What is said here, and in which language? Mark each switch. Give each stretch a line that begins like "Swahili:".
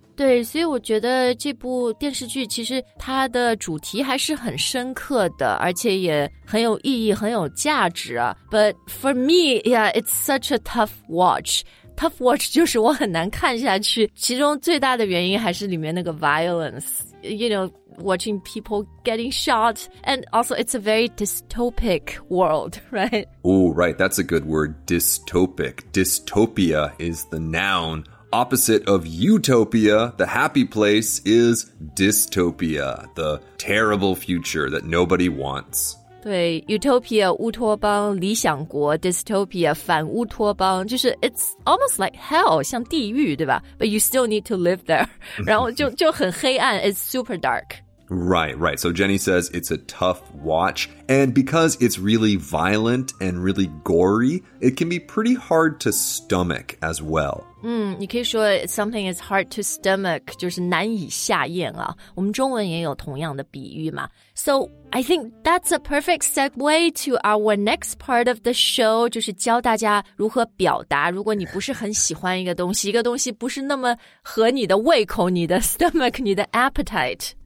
Chinese: 对，所以我觉得这部电视剧其实它的主题还是很深刻的，而且也很有意义，很有价值啊。
English: But for me, yeah, it's such a tough watchTough watch
Chinese: 就是我很难看下去，其中最大的原因还是里面那个
English: violence, you know, watching people getting shot, and also it's a very dystopic world, right? Oh, right, that's a good word, dystopic. Dystopia is the noun. Opposite of utopia, the happy place, is dystopia, the terrible future that nobody wants.
Chinese: 对 ,utopia, 乌托邦理想国 ,dystopia, 反乌托邦，就是
English: it's almost like hell,
Chinese: 像地狱对吧 ?
English: but you still need to live there,
Chinese: 然后就很黑暗 ,
English: it's super dark. Right, right, so Jenny says it's a tough watch, and because it's really violent and really gory, it can be pretty hard to stomach as well.
Chinese: 你可以说
English: something is hard to stomach,
Chinese: 就是难以下咽啊。我们中文也有同样的比喻嘛。
English: So, I think that's a perfect segue to our next part of the show,
Chinese: 就是教大家如何表达，如果你不是很喜欢一个东西，一个东西不是那么合你的胃口，你的 stomach, 你的 appetite。